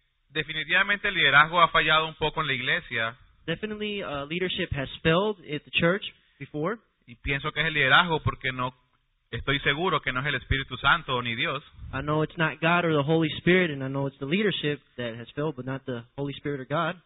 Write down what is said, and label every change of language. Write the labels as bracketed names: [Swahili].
[Spanish] Definitivamente el liderazgo ha fallado un poco en la iglesia. [English] Definitely leadership has failed at the church before. [Spanish] Y pienso que es el liderazgo porque no estoy seguro que no es el Espíritu Santo ni Dios. [English] I know it's not God or the Holy Spirit, and I know it's the leadership that has failed, but not the Holy Spirit or God.